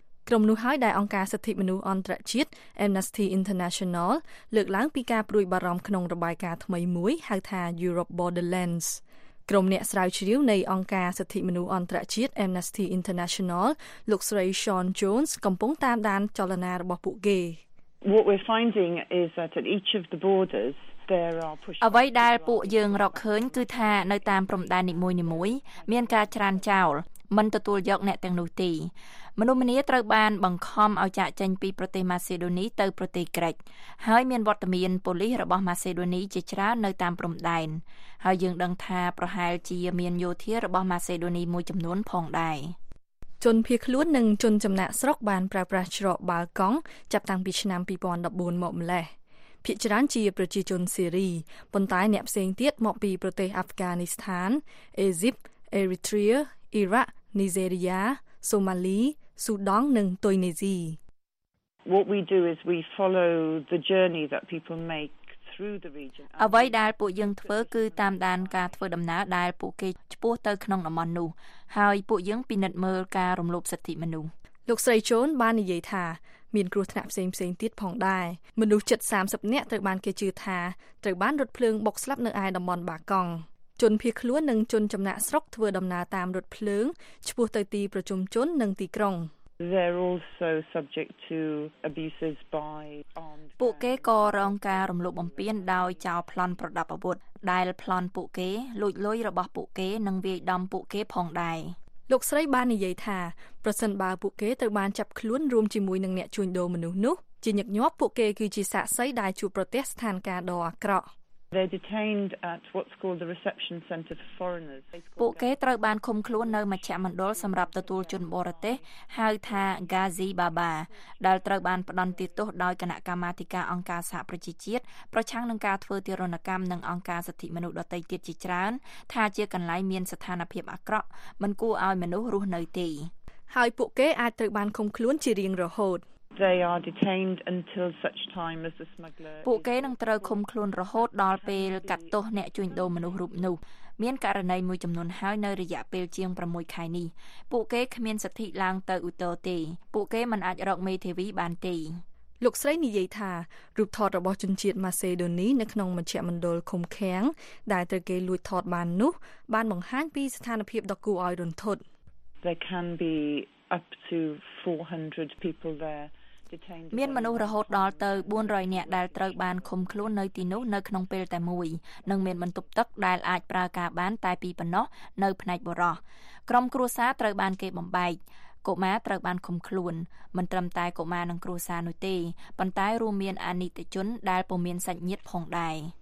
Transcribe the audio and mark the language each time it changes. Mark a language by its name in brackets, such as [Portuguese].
[Khmer] ក្រុមនោះហើយដែលអង្គការសិទ្ធិមនុស្សអន្តរជាតិ Amnesty International លើកឡើងពីការព្រួយបារម្ភក្នុងរបាយការណ៍ថ្មីមួយហៅថា Europe Borderlands ក្រុមអ្នកស្រាវជ្រាវនៃអង្គការសិទ្ធិមនុស្សអន្តរជាតិ Amnesty International លោកស្រី Sean Jones កំពុងតាមដានចលនារបស់ពួកគេ [English] What we're finding is that at each of the borders [Khmer] អ្វីដែលពួកយើងរកឃើញគឺថានៅតាមព្រំដែននីមួយៗមានការច្រានចោលមិនទទួលយកអ្នកទាំងនោះទេមនុស្សម្នាត្រូវបានបង្ខំឲ្យចាកចេញពីប្រទេសម៉ាសេដូនីទៅប្រទេសក្រិចហើយមានវត្តមានប៉ូលីសរបស់ម៉ាសេដូនីជាច្រើននៅតាមព្រំដែនហើយយើងដឹងថាប្រហែលជាមានយោធារបស់ម៉ាសេដូនីមួយចំនួនផងដែរ ជនភៀសខ្លួននិងជនចំណាក់ស្រុកបានប្រើប្រាស់ច្រកបាល់កង់ចាប់តាំងពីឆ្នាំ2014មកម្លេះ ភាគច្រើនជាប្រជាជនសេរីប៉ុន្តែអ្នកផ្សេងទៀតមកពីប្រទេសអាហ្វហ្គានីស្ថានអេស៊ីបអេរីត្រាអ៊ីរ៉ាក់នីជេរីយ៉ាសូម៉ាលីស៊ូដង់និងតុយនីស៊ី [English] What we do is we follow the journey that people make. [Khmer] អ្វីដែលពួកយើងធ្វើគឺតាមដានការធ្វើដំណើរដែលពួកគេឆ្ពោះទៅក្នុងតំបន់នោះហើយពួកយើងពិនិត្យមើលការរំលោភសិទ្ធិមនុស្ស លោកស្រីជូនបាននិយាយថាមានគ្រោះថ្នាក់ផ្សេងផ្សេងទៀតផងដែរមនុស្សជិត30នាក់ត្រូវបានគេជឿថាត្រូវបានរថភ្លើងបុកស្លាប់នៅឯតំបន់បាកង់ជនភៀសខ្លួននិងជនចំណាក់ស្រុកធ្វើដំណើរតាមរថភ្លើងឆ្ពោះទៅទីប្រជុំជននិងទីក្រុង [English] They're also subject to abuses by armed. [Khmer] ពួកគេក៏រងការរំលោភបំពានដោយចោរប្លន់ប្រដាប់អាវុធដែលប្លន់ពួកគេលួចលុយរបស់ពួកគេនិងវាយដំពួកគេផងដែរ លោកស្រីបាននិយាយថាប្រសិនបើពួកគេត្រូវបានចាប់ខ្លួនរួមជាមួយនឹងអ្នកជួញដូរមនុស្សនោះជាញឹកញាប់ពួកគេគឺជាសាក្សីដែលជួបប្រទះស្ថានភាពដ៏អាក្រក់ [English] They're detained at what's called the reception center for foreigners. [Khmer] ពួកគេត្រូវបានឃុំខ្លួននៅមជ្ឈមណ្ឌលសម្រាប់ទទួលជនបរទេសហៅថា Ghazi Baba ដែលត្រូវបានផ្ដន្ទាទោសដោយគណៈកម្មាធិការអង្គការសហប្រជាជាតិប្រឆាំងនឹងការធ្វើទារុណកម្មនឹងអង្គការសិទ្ធិមនុស្សដទៃទៀតជាច្រើនថាជាកន្លែងមានស្ថានភាពអាក្រក់មិនគួរឲ្យមនុស្សរស់នៅទេ ហើយពួកគេអាចត្រូវបានឃុំខ្លួនជារៀងរហូត [English] They are detained until such time as the smuggler. [Khmer] ពួកគេនឹងត្រូវឃុំខ្លួនរហូតដល់ពេលកាត់ទោសអ្នកជួញដូរមនុស្សរូបនោះមានករណីមួយចំនួនហើយនៅរយៈពេលជាង6ខែនេះពួកគេគ្មានសិទ្ធិឡើងទៅឧទ្ធរណ៍ទេពួកគេមិនអាចរកមេធាវីបានទេ លោកស្រីនិយាយថារូបថតរបស់ជនជាតិម៉ាសេដូនីនៅក្នុងមជ្ឈមណ្ឌលឃុំឃាំងដែលត្រូវគេលួចថតបាននោះបានបង្ហាញពីស្ថានភាពដ៏គួរឲ្យរន្ធត់ [English] There can be up to 400 people there [Khmer] មានមនុស្សរហូតដល់ទៅ400នាក់ដែលត្រូវបានឃុំខ្លួននៅទីនោះនៅក្នុងពេលតែមួយនិងមានបន្ទប់ទឹកដែលអាចប្រើការបានតែពីប៉ុណ្ណោះនៅផ្នែកបរោះក្រុមគ្រួសារត្រូវបានគេបំបែកកុមារត្រូវបានឃុំខ្លួនមិនត្រឹមតែកុមារនិងគ្រួសារនោះទេប៉ុន្តែរួមមានអនីតិជនដែលពុំមានសាច់ញាតិផងដែរ